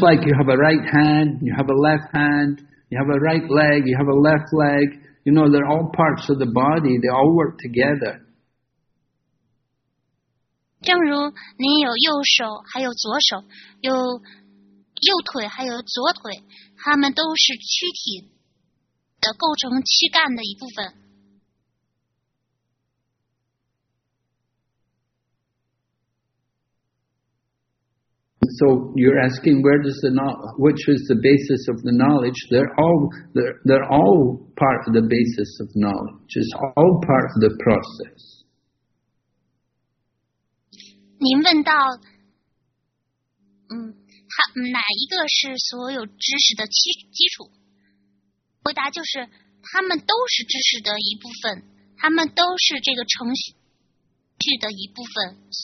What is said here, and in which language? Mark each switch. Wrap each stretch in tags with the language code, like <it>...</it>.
<en>like you have a right hand, you have a left hand, you have a right leg, you have a left leg. You know, they're all parts of the body. They all work together.</en> <zh>正如您有右手，还有左手，有右腿，还有左腿，他们都是躯体的构成躯干的一部分。</zh> <en>So you're asking where does the which is the basis of the knowledge? They're all part of the basis of knowledge. It's all part of the process.</en> <zh>您问到，哪一个是所有知识的基础？回答就是，他们都是知识的一部分，他们都是这个程序的一部分。</zh>